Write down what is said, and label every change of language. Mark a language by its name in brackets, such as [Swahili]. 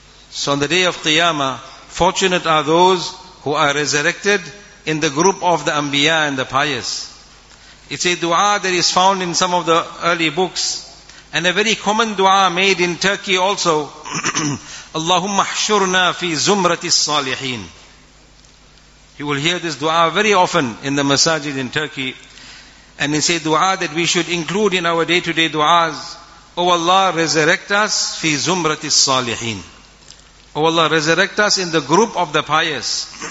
[English] So on the day of Qiyamah, fortunate are those who are resurrected in the group of the Anbiya and the pious. It's a dua that is found in some of the early books, and a very common dua made in Turkey also. [Arabic] اللهم احشرنا في زمرة الصالحين. [English] You will hear this dua very often in the masajid in Turkey. And it's a dua that we should include in our day-to-day duas. O Allah, resurrect us [Arabic] fi zumrati salihin. [English] O Allah, resurrect us in the group of the pious.